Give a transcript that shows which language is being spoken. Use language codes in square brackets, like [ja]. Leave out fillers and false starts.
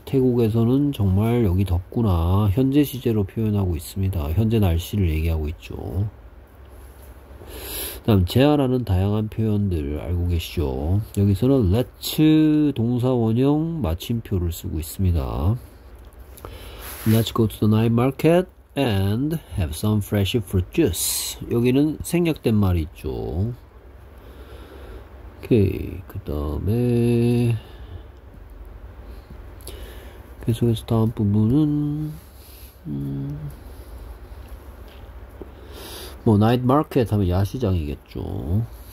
[ko] 태국에서는 정말 여기 덥구나. 현재 시제로 표현하고 있습니다. 현재 날씨를 얘기하고 있죠. 다음, 제안하는 다양한 표현들 알고 계시죠? 여기서는 let's 동사원형 마침표를 쓰고 있습니다. [en] Let's go to the night market and have some fresh fruit juice. [ko] 여기는 생략된 말이 있죠. 오케이. 그 다음에, 계속해서 다음 부분은, 뭐, night market 하면 야시장이겠죠.